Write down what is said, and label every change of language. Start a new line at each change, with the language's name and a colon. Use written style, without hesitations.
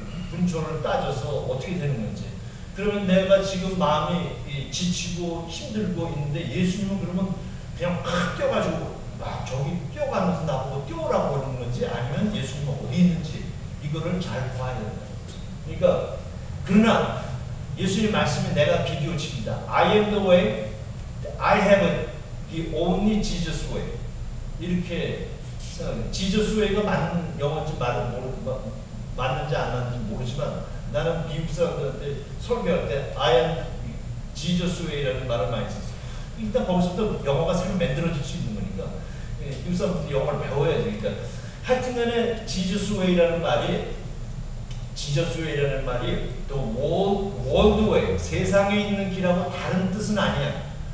Korean: 분초를 따져서 어떻게 되는 건지 그러면 내가 지금 마음이 지치고 힘들고 있는데 예수님은 그러면 그냥 팍 뛰어가지고 막 저기 뛰어가면서 나보고 뛰어오라고 그러는 건지 아니면 예수님은 어디 있는지 이거를 잘 봐야 된다. 그러니까 그러나 예수님 말씀이 내가 비교칩니다.
English: I am the way, I have it, the only Jesus way.
Korean: 이렇게 생각해요. Jesus way가 맞는 영어인지 맞는지 안 맞는지 모르지만 나는 미국 사람들한테 설교할 때
English: I am Jesus way
Korean: 라는 말을 많이 썼어요. 일단 거기서부터 영어가 새로 만들어질 수 있는 거니까 미국 사람들이 영어를 배워야 되니까 하여튼 간에 Jesus way라는 말이 지저스웨이라는 말이 또 월드웨이 세상에 있는 길하고 다른 뜻은 아니야.